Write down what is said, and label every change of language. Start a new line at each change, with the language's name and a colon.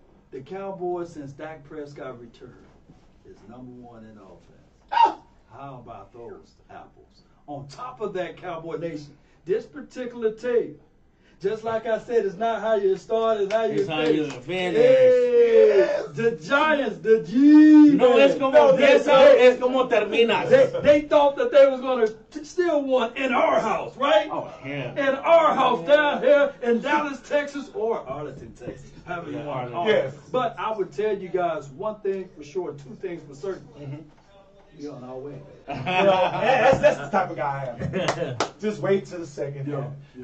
English: The Cowboys, since Dak Prescott returned, is number one in offense. How about those apples? On top of that, Cowboy Nation, this particular tape, just like I said, it's not how you start, it's how you finish. It's how you finish. Yeah. Yes. The Giants, the G's.
Spanish: No, es como empieza, es como termina.
English: They thought that they was going to steal one in our house, right? Oh, hell. In our house down here in Dallas, Texas, or Arlington, Texas, however you want to call it. Yes. But I would tell you guys one thing for sure, two things for certain. Mm-hmm. We on our way. Yeah, that's the type of guy I am. Just wait till the second half. Yeah.